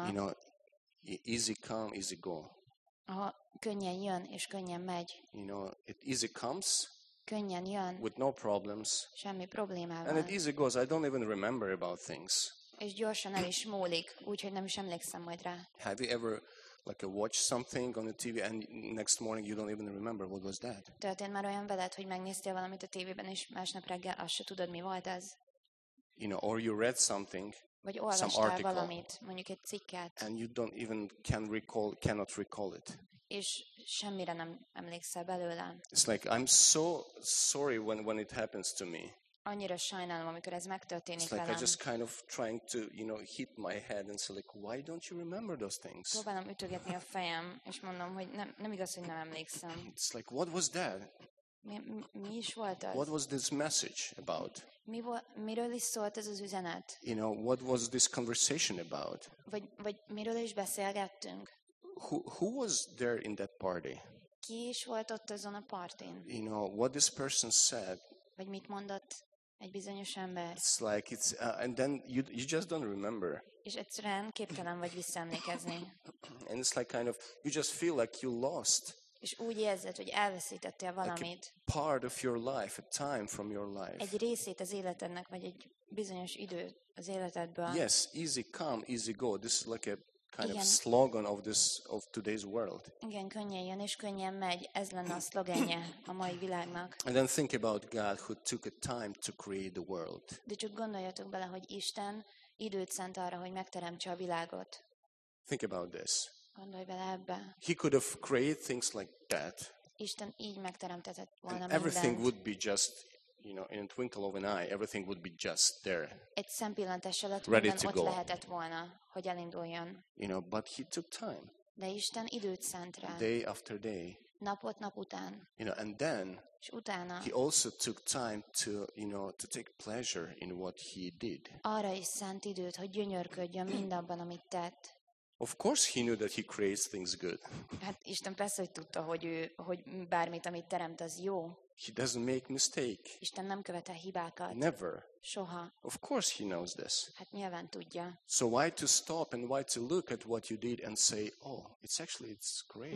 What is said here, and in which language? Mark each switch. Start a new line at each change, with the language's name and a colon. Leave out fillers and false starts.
English: You know, easy come, easy go.
Hungarian: Ha könnyen jön és könnyen megy.
English: You know, it easy comes.
Hungarian: Könnyen jön.
English: With no problems.
Hungarian: Semmi problémával.
English: And it easy goes. I don't even remember about things.
Hungarian: És gyorsan el is múlik, úgyhogy nem is emlékszem majd rá.
English: Have you ever like watched something on the TV and next morning you don't even remember what was that?
Hungarian: Történt már olyan veled, hogy megnéztél valamit a tévében és másnap reggel azt se tudod, mi volt ez?
English: You know, or you read something.
Hungarian: Vagy olvastál valamit, mondjuk egy cikket.
English: And you don't even cannot recall it.
Hungarian: És semmire nem emlékszel belőle.
English: It's like I'm so sorry when it happens to me.
Hungarian: Annyira sajnálom, amikor ez megtörténik velem.
English: It's like I just kind of trying to, you know, hit my head and say, like, why don't you remember those things?
Hungarian: Próbálom ütögetni a fejem, és mondom, hogy nem igaz, hogy nem emlékszem.
English: It's like, what was that?
Hungarian: Mi is volt az?
English: What was this message about?
Hungarian: Miről is szólt ez az üzenet?
English: You know, what was this conversation about?
Hungarian: Vagy miről is beszélgettünk?
English: Who was there in that party?
Hungarian: Ki is volt ott azon a partin?
English: You know, what this person said?
Hungarian: Vagy mit mondott egy bizonyos ember?
English: It's like it's and then you just don't remember.
Hungarian: És egyszerűen képtelen vagy visszaemlékezni.
English: And it's like kind of you just feel like you lost.
Hungarian: És úgy érzed, hogy elveszítettél valamit.
English: Like a part of your life, a time from your life.
Hungarian: Egy részét az életednek, vagy egy bizonyos időt az életedből.
English: Yes, easy come, easy go. This is like a kind of slogan of this of today's world.
Hungarian: Igen, könnyen jön és könnyen megy. Ez lenne a szlogenje a mai világnak.
English: And then think about God who took a time to create the world.
Hungarian: De csak gondoljatok bele, hogy Isten időt szent arra, hogy megteremtse a világot.
English: Think about this.
Hungarian: Gondolj bele ebbe.
English: He could have created things like that.
Hungarian: Isten így megteremtetett volna
English: and
Hungarian: mindent.
English: Everything would be just, you know, in a twinkle of an eye, everything would be just there.
Hungarian: Egy szempillantás alatt minden ott lehetett volna, hogy elinduljon.
English: You know, but he took time.
Hungarian: De Isten időt szent rá.
English: Day after day.
Hungarian: Napot nap után.
English: You know, and then
Hungarian: és utána,
English: he also took time to, you know, to take pleasure in what he did.
Hungarian: Arra is szent időt, hogy gyönyörködjön mindabban, amit tett.
English: Of course he knew that he creates things good.
Hungarian: Hát Isten persze, hogy tudta, hogy ő, hogy bármit, amit teremt, az jó.
English: He doesn't make mistake.
Hungarian: Isten nem követ el hibákat.
English: Never.
Hungarian: Soha.
English: Of course he knows this.
Hungarian: Hát nyilván tudja.
English: So why to stop and why to look at what you did and say, oh, it's actually it's great.